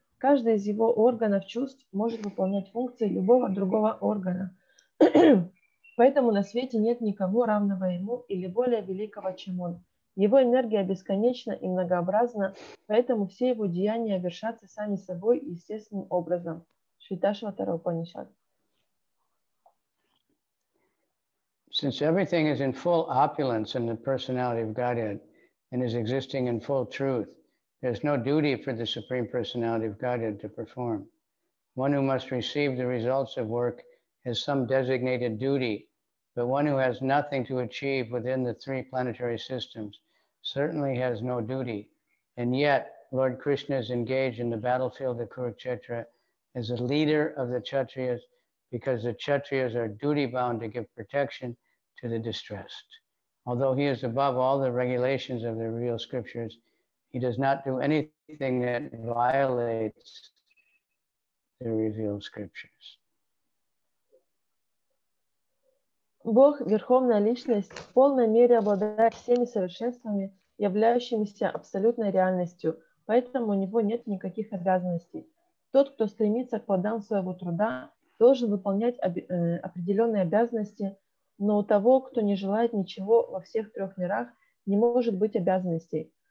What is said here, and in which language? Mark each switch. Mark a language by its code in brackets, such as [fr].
[ru] Каждый из его органов чувств может выполнять функции любого другого органа. Поэтому на свете нет никого равного ему или более великого, чем он. Его энергия бесконечна и многообразна, поэтому все его деяния вершатся сами собой естественным образом. Шриташватара Упанишад. [en] Since everything is in full opulence in the personality of Godhead and is existing in full truth, there's no duty for the Supreme Personality of Godhead to perform. One who must receive the results of work has some designated duty, but one who has nothing to achieve within the three planetary systems certainly has no duty. And yet, Lord Krishna is engaged in the battlefield of Kurukshetra as a leader of the Kshatriyas because the Kshatriyas are duty-bound to give protection to the distressed. Although he is above all the regulations of the real scriptures, he does not do anything that violates the revealed scriptures. [ru] Бог, Верховная Личность, в полной мере обладает всеми совершенствами, являющимися абсолютной реальностью. поэтому у него нет никаких обязанностей. Тот, кто стремится к плодам своего труда, должен выполнять определенные обязанности, но у того, кто не желает ничего во всех трех мирах, не может быть обязанностей.